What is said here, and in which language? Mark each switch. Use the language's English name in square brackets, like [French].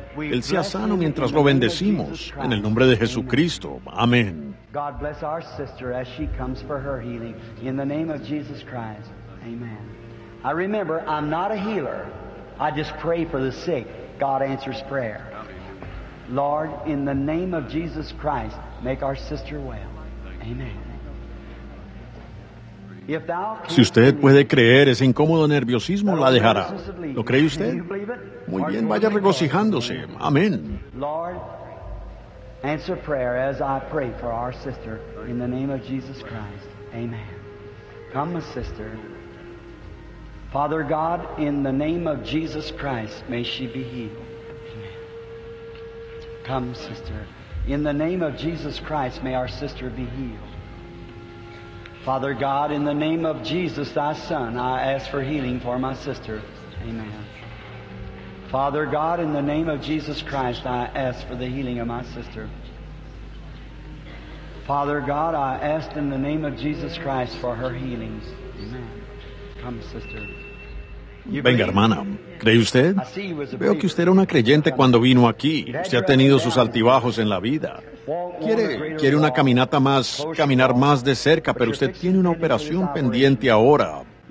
[Spanish] Él sea sano mientras lo bendecimos. En el nombre de Jesucristo. Amén. [English] God bless our sister as she comes for her healing in the name of Jesus Christ. Amen. I remember, I'm not a healer. I just pray for the sick. God answers prayer. Lord, in the name of Jesus Christ, make our sister well. Amen. [Spanish] Si usted puede creer, ese incómodo nerviosismo la dejará. ¿Lo cree usted? Muy bien, vaya regocijándose. Amén. [English] Lord, answer prayer as I pray for our sister in the name of Jesus Christ. Amen. Come, my sister. Father God, in the name of Jesus Christ, may she be healed. Come, sister. In the name of Jesus Christ, may our sister be healed. Father God, in the name of Jesus, thy son, I ask for healing for my sister. Amen. Father God, in the name of Jesus Christ, I ask for the healing of my sister. Father God, I ask in the name of Jesus Christ for her healings. Amen. Come, sister. [Spanish] Venga, hermana, ¿cree usted? Veo que usted era una creyente cuando vino aquí. Usted ha tenido sus altibajos en la vida. Quiere una caminata más, caminar más de cerca, pero usted tiene una operación pendiente ahora.